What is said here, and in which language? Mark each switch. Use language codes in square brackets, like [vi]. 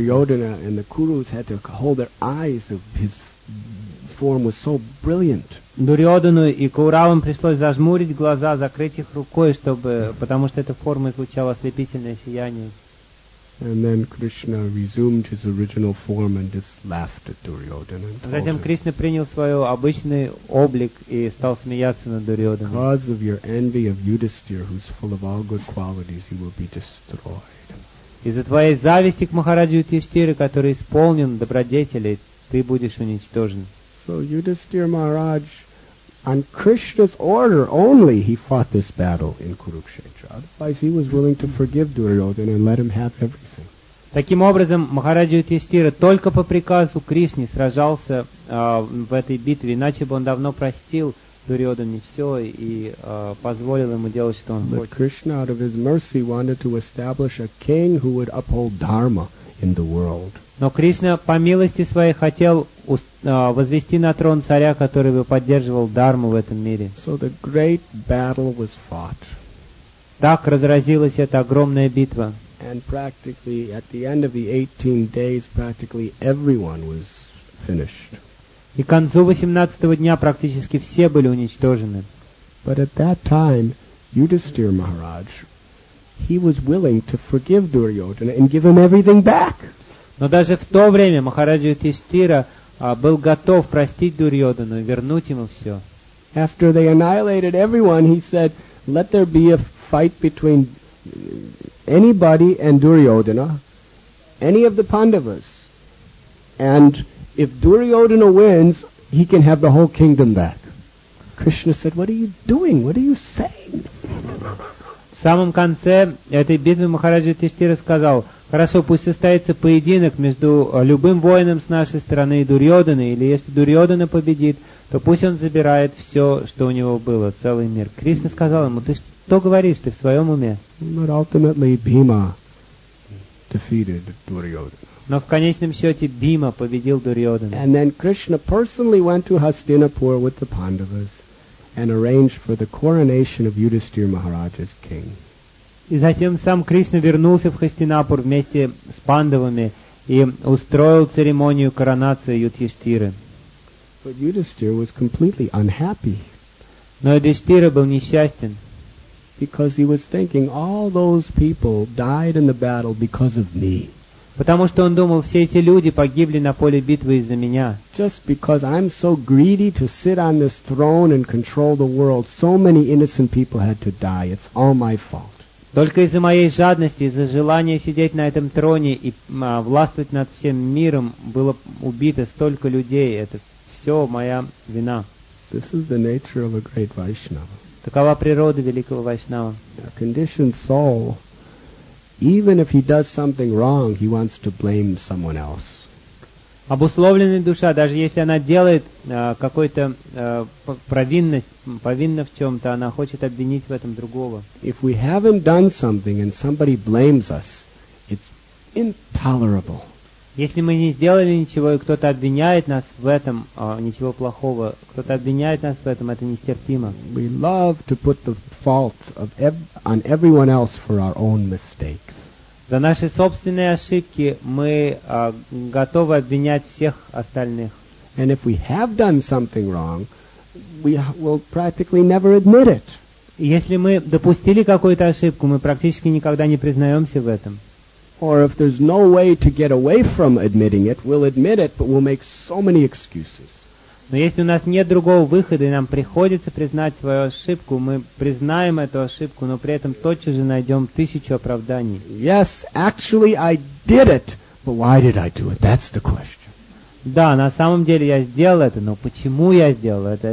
[en] Duryodhana and the Kurus had to hold their eyes of his form was so brilliant. [ru] Дурьодхану и Кауравам пришлось зажмурить глаза, закрыть их рукой, чтобы, потому что эта форма излучала ослепительное сияние. [en] And then Krishna resumed his original form and just laughed at Duryodhana. [ru] Затем Кришна принял свой обычный облик и стал смеяться над Дурьодханой. [en] Because of your envy of Yudhisthira, who's full of all good qualities, you will be destroyed. [ru] Из-за твоей зависти к Махараджу Юдхиштхире, который исполнен добродетелей, ты будешь уничтожен. [en] So Yudhisthira Maharaj, on Krishna's order only, he fought this battle in Kurukshetra. Otherwise, he was willing to forgive Duryodhana and let him have everything. [ru] Таким образом, Махараджа Юдхиштхира только по приказу Кришны сражался в этой битве, иначе бы он давно простил Дурьодхане все и позволил ему делать, что он хочет. [en] But Krishna, out of his mercy, wanted to establish a king who would uphold dharma in the world. [ru] Но Кришна по милости своей хотел возвести на трон царя, который бы поддерживал дхарму в этом мире. [en] So the great battle was fought. [ru] Так разразилась эта огромная битва. [en] And practically at the end of the 18 days, practically everyone was finished. [ru] И к концу 18-го дня практически все были уничтожены. [en] But at that time, Yudhisthira Maharaj, he was willing to forgive Duryodhana and give him everything back. [ru] Но даже в то время Махараджа Юдхиштхира был готов простить Дурьодхану и вернуть ему все. [en] After they annihilated everyone, he said, "Let there be a fight between anybody and Duryodhana, any of the Pandavas. And if Duryodhana wins, he can have the whole kingdom back." Krishna said, "What are you doing? What are you saying?" [ru] В самом конце этой битвы Махараджа Юдхиштхира сказал: хорошо, пусть состоится поединок между любым воином с нашей стороны и Дурьодханой, или если Дурьодхана победит, то пусть он забирает все, что у него было, целый мир. Кришна сказал ему: ты что говоришь, ты в своем уме? [en] But ultimately Bhima defeated Duryodhana. [ru] Но в конечном счете Бхима победил Дурьодхану. [en] And then Krishna personally went to Hastinapur with the Pandavas and arranged for the coronation of Yudhisthira Maharaj as king. [ru] И затем сам Кришна вернулся в Хастинапур вместе с Пандавами и устроил церемонию коронации Юдхиштхиры. [en] But Yudhisthira was completely unhappy. [ru] Но Юдхиштхира был несчастен. [en] Because he was thinking, all those people died in the battle because of me. [ru] Потому что он думал, все эти люди погибли на поле битвы из-за меня. [en] Just because I'm so greedy to sit on this throne and control the world, so many innocent people had to die. It's all my fault. [ru] Только из-за моей жадности, из-за желания сидеть на этом троне и властвовать над всем миром, было убито столько людей. Это все моя вина. [en] This is the nature of a great Vaishnava. [ru] Такова природа великого Вайшнава. [en] A conditioned soul, even if he does something wrong, he wants to blame someone else. [ru] Обусловленная душа, даже если она делает какую-то провинность, повинна в чем-то, она хочет обвинить в этом другого. [en] If we haven't done something and somebody blames us, it's intolerable. [ru] Если мы не сделали ничего, и кто-то обвиняет нас в этом, ничего плохого, кто-то обвиняет нас в этом, это нестерпимо. [en] We love to put the fault of on everyone else for our own mistakes. [ru] За наши собственные ошибки мы готовы обвинять всех остальных. [en] And if we have done something wrong, we will practically never admit it. [ru] Если мы допустили какую-то ошибку, мы практически никогда не признаемся в этом. [en] Or if there's no way to get away from admitting it, we'll admit it, but we'll make so many excuses. [ru] Но если у нас нет другого выхода, и нам приходится признать свою ошибку, мы признаем эту ошибку, но при этом тотчас же найдем тысячу оправданий. [en] Yes, actually I did it, but why did I do it? That's the question. [ru] Да, на самом деле я сделал это, но почему я сделал это?